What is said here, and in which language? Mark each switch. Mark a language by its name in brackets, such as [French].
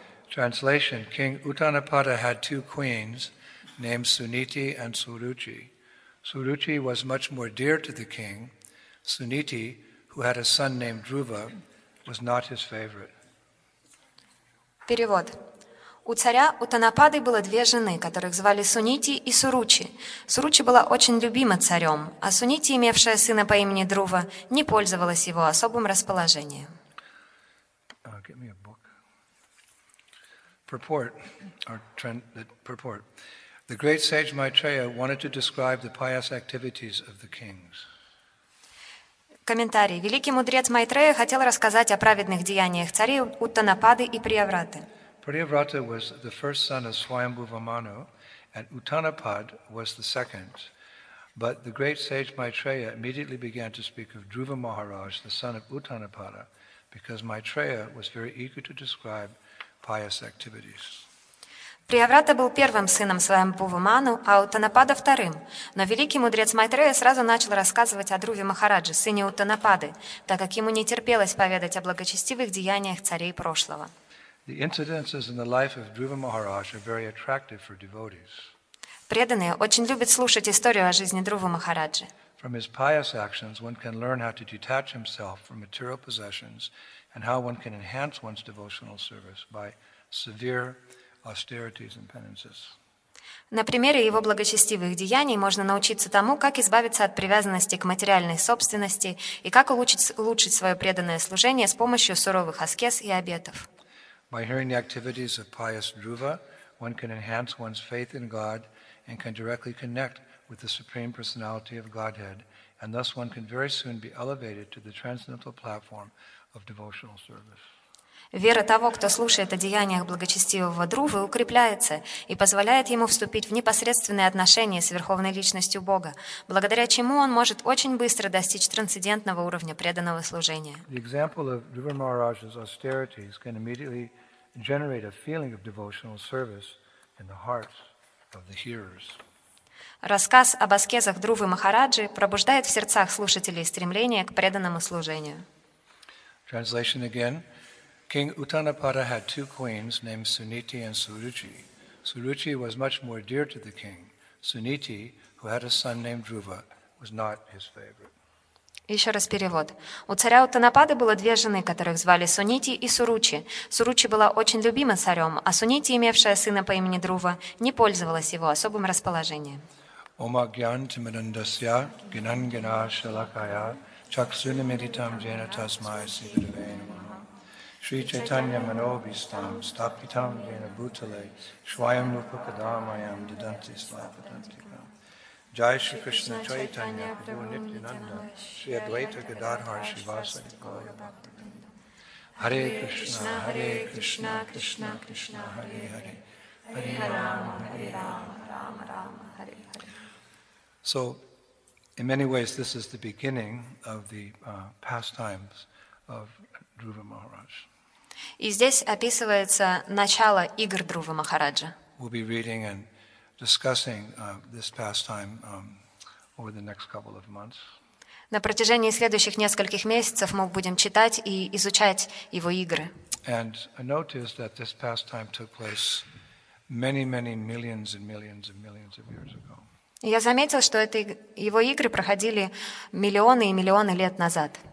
[English] Translation: King Uttanapada had two queens named Suniti and Suruchi. Suruchi was much more dear to the king. Suniti, who had a son named Dhruva, was not his favorite. [Russian] Перевод. У царя Уттанапады было две жены, которых звали Сунити и Суручи. Суручи была очень любима царем, а Сунити, имевшая сына по имени Друва, не пользовалась его особым расположением. [English] Get me a book. Purport, or purport. The great sage Maitreya wanted to describe the pious activities of the kings. [Russian] Комментарий. Великий мудрец Майтрея хотел рассказать о праведных деяниях царей Уттанапады и Приявраты. [English] Priyavrata was the first son of Swayambhuva Manu, and Uttanapad was the second. But the great sage Maitreya immediately began to speak of Dhruva Maharaj, the son of Uttanapada, because Maitreya was very eager to describe pious activities. [Russian] Приаврата был первым сыном своим Пувуману, а Уттанапада вторым. Но великий мудрец Майтрея сразу начал рассказывать о Друве Махараджи, сыне Уттанапады, так как ему не терпелось поведать о благочестивых деяниях царей прошлого. [English] The incidences in the life of Dhruva Maharaj are very attractive for devotees. [Russian] Преданные очень любят слушать историю о жизни Друвы Махараджи. [English] From his pious actions, one can learn how to detach himself from material possessions and how one can enhance one's devotional service by severe austerities and penances. [Russian] На примере его благочестивых деяний можно научиться тому, как избавиться от привязанности к материальной собственности и как улучшить свое преданное служение с помощью суровых аскез и обетов. [English] By hearing the activities of pious Dhruva, one can enhance one's faith in God and can directly connect with the Supreme Personality of Godhead, and thus one can very soon be elevated to the transcendental platform of devotional service. [Russian] Вера того, кто слушает о деяниях благочестивого Друвы, укрепляется и позволяет ему вступить в непосредственные отношения с Верховной Личностью Бога, благодаря чему он может очень быстро достичь трансцендентного уровня преданного служения. [English] The example of Dhruva Maharaj's austerities can immediately generate a feeling of devotional service in the hearts of the hearers. [Russian] Рассказ об аскезах Друвы Махараджи пробуждает в сердцах слушателей стремление к преданному служению. [English] Translation again. King Uttanapada had two queens named Suniti and Suruchi. Suruchi was much more dear to the king. Suniti, who had a son named Dhruva, was not his favorite. [Russian] Еще раз перевод. У царя Уттанапады было две жены, которых звали Сунити и Суручи. Суручи была очень любима царем, а Сунити, имевшая сына по имени Друва, не пользовалась его особым расположением. [Sanskrit] Ома гьян тимирандасья гинангина шалакая чаксунимиритам джена тасмай сидрвейна. Shri Chaitanya Manobhistam Stapitam Vena Bhutale Shwayam Rupakadamayam Didanti Slapadantikam Jai Shri Krishna Chaitanya Prabhu Nityananda Shri Advaita Gadadhar Shivasai Gaya Bhaktivinoda Hare Krishna Hare Krishna Krishna Krishna Hare Hare Hare Rama Hare Rama Rama Hare Hare. [English] So, in many ways, this is the beginning of the pastimes of Dhruva Maharaj. [Russian] И здесь описывается начало игр Друвы Махараджа. [English] We'll be reading and discussing this pastime over the next couple of months. [Russian] На протяжении следующих нескольких месяцев мы будем читать и изучать его игры. [English] And notice that this pastime took place many, many millions and millions and millions of years ago. [Russian] Я заметил, что это его игры проходили миллионы и миллионы лет назад.